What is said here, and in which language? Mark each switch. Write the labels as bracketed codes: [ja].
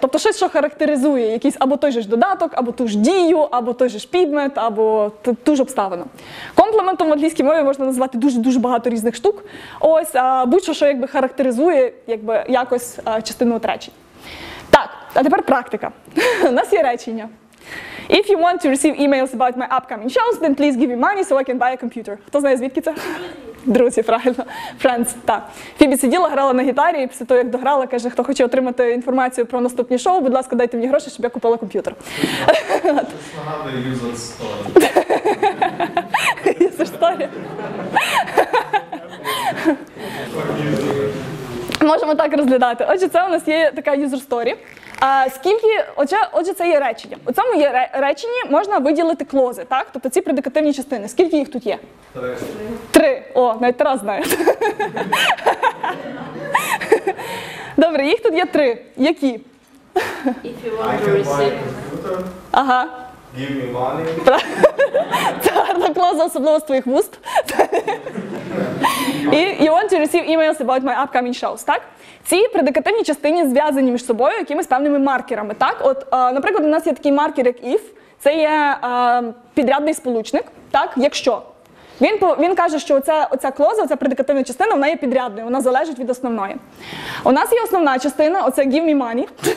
[uk] Тобто щось, що характеризує якийсь або той же ж додаток, або ту ж дію, або той же ж підмет, або ту ж обставину. Комплементом в англійській мові можна назвати дуже-дуже багато різних штук. Ось, а будь-що, що якби характеризує якби якось частину речення. Так, а тепер практика. У нас є речення. [en] If you want to receive emails about my upcoming shows, then please give me money so I can buy a computer. [uk] Хто знає, звідки це? Друзі, правильно. Friends, так. Фібі сиділа, грала на гітарі, і після того, як дограла, каже, хто хоче отримати інформацію про наступні шоу, будь ласка, дайте мені гроші, щоб я купила комп'ютер. [en] User story. [uk] Можемо так розглядати. Отже, це у нас є така user story. Скільки, отже, це є речення. У цьому є реченні можна виділити клози, так? Тобто ці предикативні частини. Скільки їх тут є? Три. Три. О, навіть Тарас знає. Добре, їх тут є три. Які? [en] If you want to receive. [uk] Ага. [en] Give me money. [uk] Це гарна клоза, особливо з твоїх вуст. [en] І you want to receive emails about my upcoming shows, так? [uk] Ці предикативні частини зв'язані між собою якимись певними маркерами. Так? От, наприклад, у нас є такий маркер, як if. Це є підрядний сполучник, так? Якщо. Він каже, що оця клоза, оця предикативна частина, вона є підрядною, вона залежить від основної. У нас є основна частина, оце [en] give me money.